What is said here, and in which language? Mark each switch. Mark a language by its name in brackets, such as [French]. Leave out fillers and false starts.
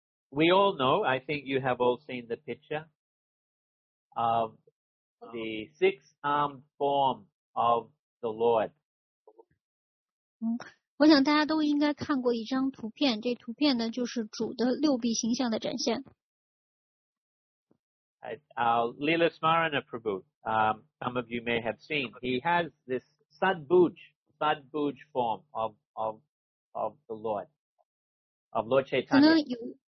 [English] We all know, I think you have all seen the picture of the six-armed form of the Lord. [Chinese] 我想大家都应该看过一张图片，这图片呢就是主的六臂形象的展现。 [English] Lila Smarana Prabhu, some of you may have seen, he has this Sadbhuj form of the Lord, of Lord Chaitanya.